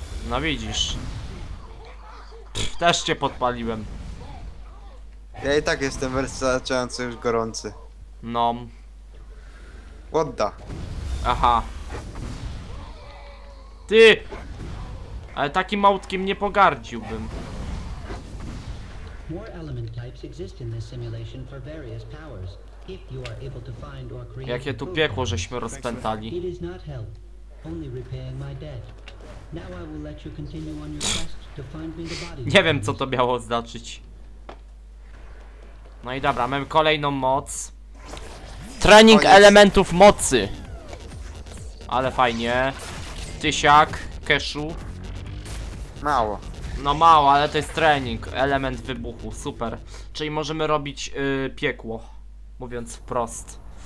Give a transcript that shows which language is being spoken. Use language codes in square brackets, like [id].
[pl] No widzisz. Pff, też cię podpaliłem. Ja i tak jestem wystarczająco już gorący. No. [en] What the? [pl] Aha. Ty! Ale takim małtkiem nie pogardziłbym. [en] More element types exist in this simulation for various powers. If you are able to find or create... [pl] Jakie tu piekło żeśmy rozpętali. [en] It is not help, only repaying my debt. Now I will let you continue on your quest to find me the body. [pl] Nie wiem, co to miało znaczyć. No i dobra, mam kolejną moc. Trening elementów mocy. Ale fajnie. Tysiak, keszu. Mało. No mało, ale to jest trening, element wybuchu, super. Czyli możemy robić piekło, mówiąc wprost.